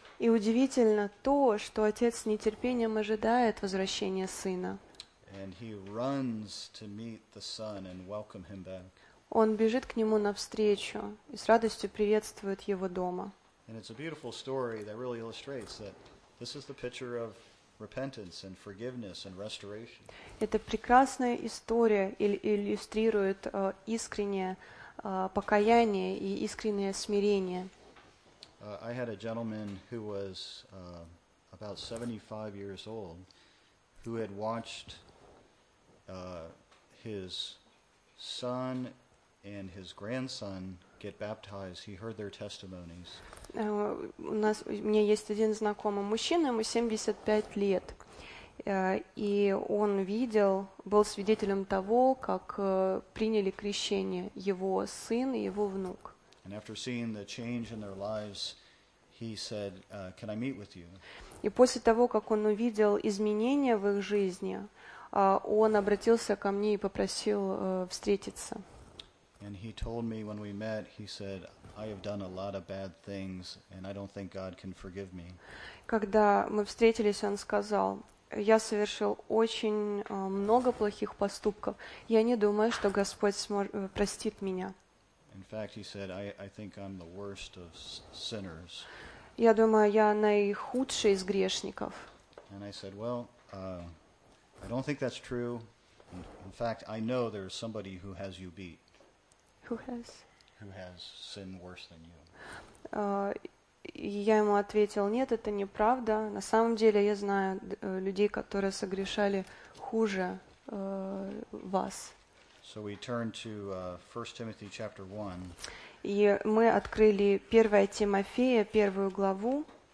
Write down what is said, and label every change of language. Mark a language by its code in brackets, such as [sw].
[ru] И удивительно то, что Отец с нетерпением ожидает возвращения Сына. [en] And he runs to meet the Son and welcome him back. [ru] Он бежит к нему навстречу и с радостью приветствует его дома. [en] And it's a beautiful story that really illustrates that this is the picture of repentance and forgiveness and restoration. [ru] Это прекрасная история иллюстрирует искреннее покаяние и искреннее смирение. [en] I had a gentleman who was about 75 years old who had watched his son and his grandson get baptized. He heard their testimonies. [ru] У меня есть один знакомый мужчина, ему 75 лет, и он видел, был свидетелем того, как приняли крещение его сын и его внук. [en] And after seeing the change in their lives, he said, "Can I meet with you?" [ru] И после того, как он увидел изменения в их жизни, он обратился ко мне и попросил встретиться. [en] And he told me when we met, he said, "I have done a lot of bad things, and I don't think God can forgive me." [ru] Когда мы встретились, он сказал: "Я совершил очень много плохих поступков. Я не думаю, что Господь простит меня." [en] In fact, he said, "I think I'm the worst of sinners." [ru] Я думаю, я наихудший из грешников. [en] And I said, "Well, I don't think that's true. In fact, I know there's somebody who has you beat." Who has sinned worse than you? [ru] Я ему ответил: "Нет, это неправда. На самом деле, я знаю людей, которые согрешали хуже вас." [en] So we turn to 1 Timothy chapter 1. [ru] И мы открыли 1 Тимофея, первую главу.